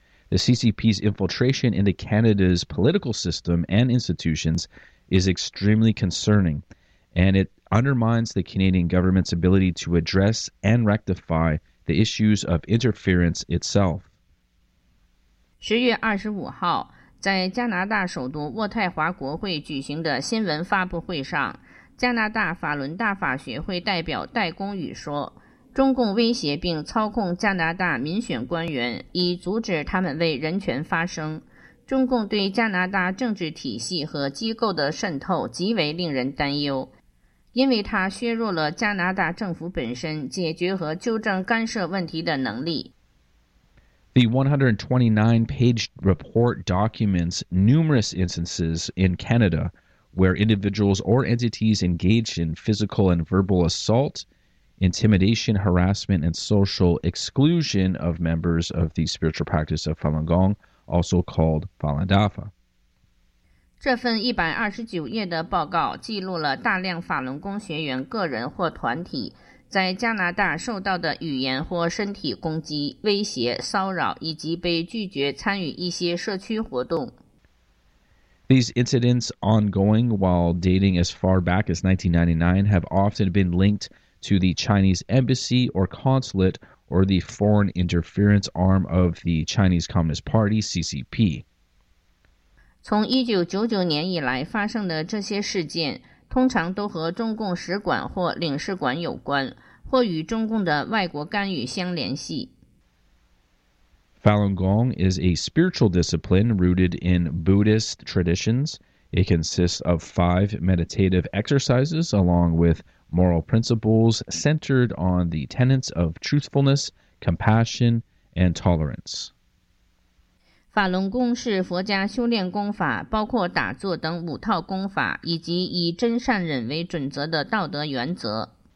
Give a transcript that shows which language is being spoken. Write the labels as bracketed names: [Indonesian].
[English] The CCP's infiltration into Canada's political system and institutions is extremely concerning, and it undermines the Canadian government's ability to address and rectify the issues of interference itself." [Chinese] 10月25号，在加拿大首都渥太华国会举行的新闻发布会上，加拿大法伦大法学会代表戴公宇说，中共威胁并操控加拿大民选官员，以阻止他们为人权发声。中共对加拿大政治体系和机构的渗透极为令人担忧，因为它削弱了加拿大政府本身解决和纠正干涉问题的能力。 [English] The 129-page report documents numerous instances in Canada where individuals or entities engaged in physical and verbal assault, intimidation, harassment, and social exclusion of members of the spiritual practice of Falun Gong, also called Falun Dafa. [Chinese] 这份129页的报告记录了大量法轮功学员个人或团体在加拿大受到的语言或身体攻击、威胁、骚扰，以及被拒绝参与一些社区活动。 [English] These incidents, ongoing while dating as far back as 1999, have often been linked to the Chinese embassy or consulate or the foreign interference arm of the Chinese Communist Party, CCP. [Chinese] 从1999年以来发生的这些事件通常都和中共使馆或领事馆有关，或与中共的外国干预相联系。 [English] Falun Gong is a spiritual discipline rooted in Buddhist traditions. It consists of 5 meditative exercises along with moral principles centered on the tenets of truthfulness, compassion, and tolerance. [Chinese] 法轮功是佛家修炼功法，包括打坐等五套功法，以及以真善忍为准则的道德原则。